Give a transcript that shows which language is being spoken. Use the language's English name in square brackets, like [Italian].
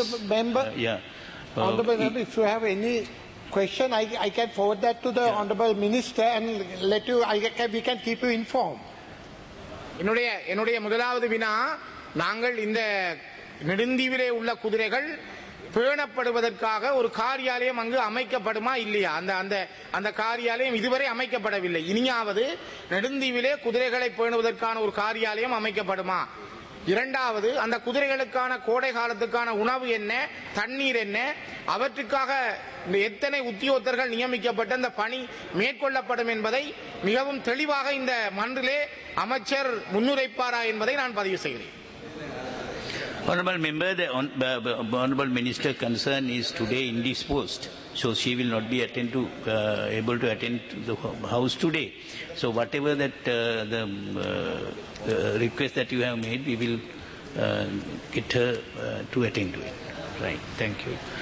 [English] Honorable Member, if you have any question, I can forward that to the Honorable Minister and let you, we can keep you informed. [Tamil] என்னுடைய முதலாவது வினா, நாங்கள் இந்த நெடுந்தீவிலே உள்ள குதிரைகள் பேணப்படுவதற்காக ஒரு காரியாலயம் அங்கு அமைக்கப்படுமா இல்லையா? அந்த அந்த அந்த காரியாலயம் இதுவரை அமைக்கப்படவில்லை. இனியாவது நெடுந்தீவிலே குதிரைகளை பேணுவதற்கான ஒரு காரியாலயம் அமைக்கப்படுமா? இரண்டாவது, அந்த குதிரைகளுக்கான கோடை காலத்துக்கான உணவு என்ன, தண்ணீர் என்ன, அவற்றுக்காக எத்தனை உத்தியோகத்தர்கள் நியமிக்கப்பட்டு அந்த பணி மேற்கொள்ளப்படும் என்பதை மிகவும் தெளிவாக இந்த மன்றிலே அமைச்சர் முன்னுரைப்பாரா என்பதை நான் பதிவு செய்கிறேன். [English] Honorable Member, the Honorable Minister concern is today indisposed, so she will not be able to attend to the House today. So whatever that request that you have made, we will get her to attend to it. Right, thank you.